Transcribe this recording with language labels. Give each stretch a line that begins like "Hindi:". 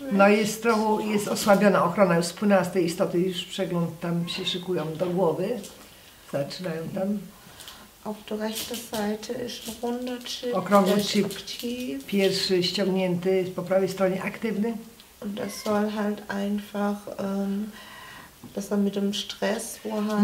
Polish: Jest trochę, jest osłabiona ochrona, już spłynęła z tej istoty, już przegląd tam się szykują do głowy. Zaczynają tam.
German: Auf der rechten Seite ist runder Chip.
Polish: Okrągły Chip. Pierwszy ściągnięty po prawej stronie aktywny.
German: Und das soll halt einfach, dass er mit dem Stress, wo er hat,